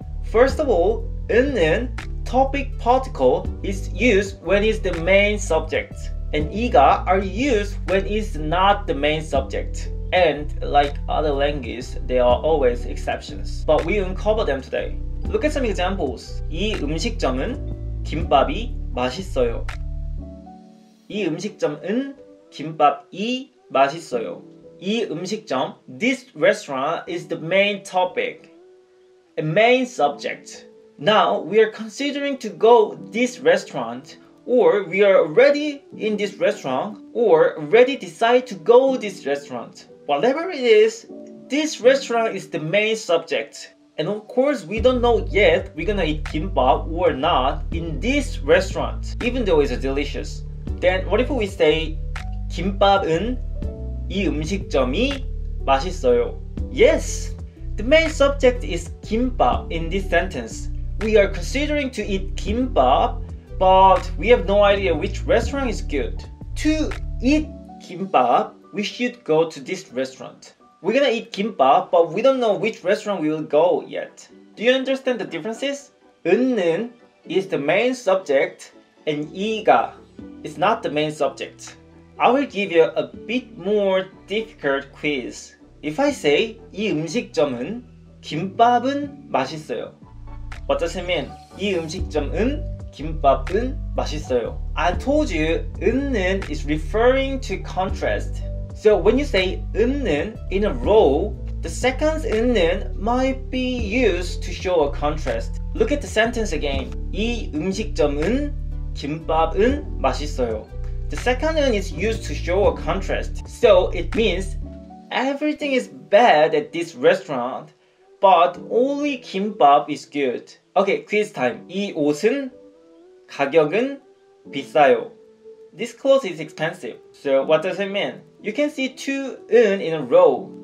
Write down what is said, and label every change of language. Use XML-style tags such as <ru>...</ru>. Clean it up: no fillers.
<en>First of all, 은는, topic particle, is used when it's the main subject. And 이가 are used when it's not the main subject. And like other languages, there are always exceptions. But we uncover them today. Look at some examples.</en> <ko>이 음식점은 김밥이 맛있어요. 이 음식점은 김밥이 맛있어요. 이 음식점,</ko> <en>this restaurant is the main topic, a main subject. Now we are considering to go this restaurant, or we are already in this restaurant, or already decide to go this restaurant. Whatever it is, this restaurant is the main subject. And of course, we don't know yet we're gonna eat kimbap or not in this restaurant, even though it's delicious. Then what if we say</en> <ko>김밥은 이 음식점이 맛있어요?</ko> <en>Yes! The main subject is 김밥 in this sentence. We are considering to eat kimbap, but we have no idea which restaurant is good. To eat kimbap, we should go to this restaurant. We're gonna eat kimbap, but we don't know which restaurant we will go yet. Do you understand the differences? 은는 is the main subject, and 이가 is not the main subject. I will give you a bit more difficult quiz. If I say</en> <ko>이 음식점은 김밥은 맛있어요.</ko> <en>What does it mean?</en> <ko>이 음식점은 김밥은 맛있어요.</ko> <en>I told you 은는 is referring to contrast. So when you say 은는 in a row, the second 은는 might be used to show a contrast. Look at the sentence again.</en> <ko>이 음식점은 김밥은 맛있어요.</ko> <en>The second 은 is used to show a contrast. So it means everything is bad at this restaurant, but only 김밥 is good. Okay, quiz time.</en> <ko>이 옷은 가격은 비싸요.</ko> <en>This clothes is expensive. So what does it mean? You can see 2은 in a row.</en>